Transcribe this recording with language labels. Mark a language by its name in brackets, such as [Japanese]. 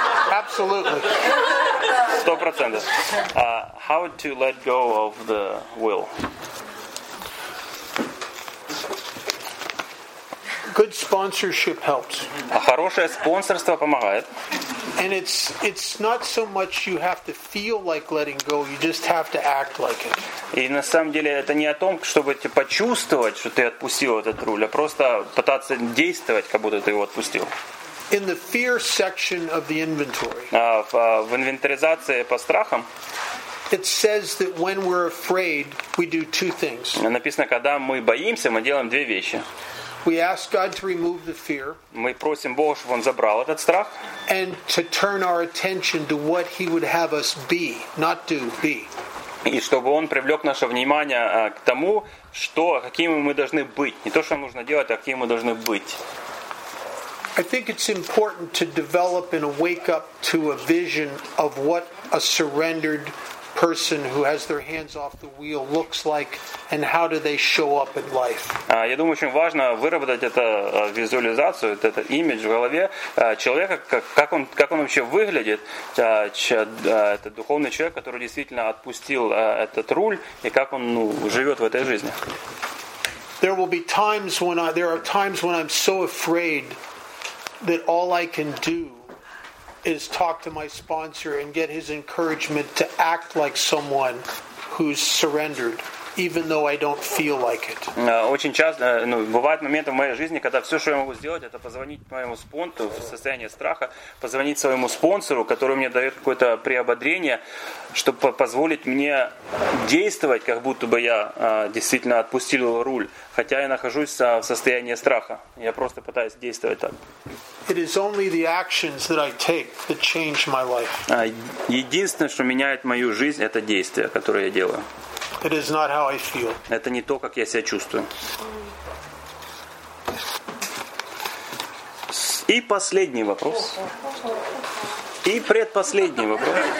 [English] Absolutely. 100%. How to let go of the will? Good sponsorship helps. [Russian] Хорошее спонсорство помогает. [English] And it's not so much you have to feel like letting go, you just have to act like it. [Russian] И на самом деле это не о том, чтобы почувствовать, что ты отпустил этот руль, а просто пытаться действовать, как будто ты его отпустил. [English] In the fear section of the inventory. [Russian] В инвентаризации по страхам. [English] It says that when we're afraid, we do two things. [Russian] Написано, когда мы боимся, мы делаем две вещи. [English] We ask God to remove the fear. [Russian] Мы просим Бога, чтобы он забрал этот страх. [English] And to turn our attention to what He would have us be, not do, be. [Russian] И чтобы он привлек наше внимание к тому, что какими мы должны быть, не то, что нужно делать, а какими мы должны быть. [English] I think it's important to develop and wake up to a vision of what a surrendered person who has their hands off the wheel looks like and how do they show up in life. [Russian] Я думаю, очень важно выработать эту визуализацию, этот имидж в голове человека, как он вообще выглядит, это духовный человек, который действительно отпустил этот руль и как он живет в этой жизни. [English] There will be times when there are times when I'm so afraid that all I can do is talk to my sponsor and get his encouragement to act like someone who's surrendered. even though I don't feel like it. [Russian] Очень часто, ну, бывают моменты в моей жизни, когда все, что я могу сделать, это позвонить моему спонсору в состоянии страха, позвонить своему спонсору, который мне дает какое-то приободрение, чтобы позволить мне действовать, как будто бы я действительно отпустил руль, хотя я нахожусь в состоянии страха. Я просто пытаюсь действовать так. [English] It is only the actions that I take that change my life. [Russian] Единственное, что меняет мою жизнь, это действия, которые я делаю. [English] It is not how I feel. [Russian] Это не то, как я себя чувствую. И последний вопрос. И предпоследний вопрос.